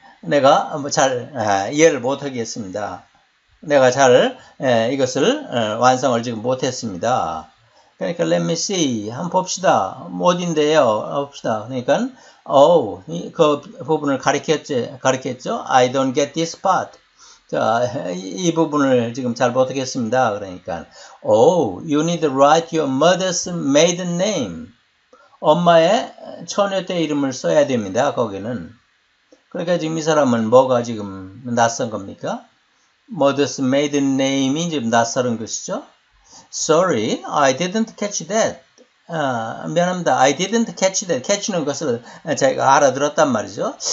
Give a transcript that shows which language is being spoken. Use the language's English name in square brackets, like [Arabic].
[Korean] 내가 잘 이해를 못하겠습니다. 내가 잘 이것을 완성을 지금 못했습니다. 그러니까 [English] let me see. [Korean] 한번 봅시다. 어딘데요? 봅시다. 그러니까 그 부분을 가리켰죠? [English] I don't get this part. [Korean] 자, 이 부분을 지금 잘 못하겠습니다. 그러니까, [English] you need to write your mother's maiden name. [Korean] 엄마의 처녀때 이름을 써야 됩니다. 거기는. 그러니까 지금 이 사람은 뭐가 지금 낯선 겁니까? [English] mother's maiden name이 [Korean] 지금 낯설은 것이죠? [English] Sorry, I didn't catch that. [Korean] 미안합니다. [English] I didn't catch that. [Korean] catch는 것을 제가 알아들었단 말이죠.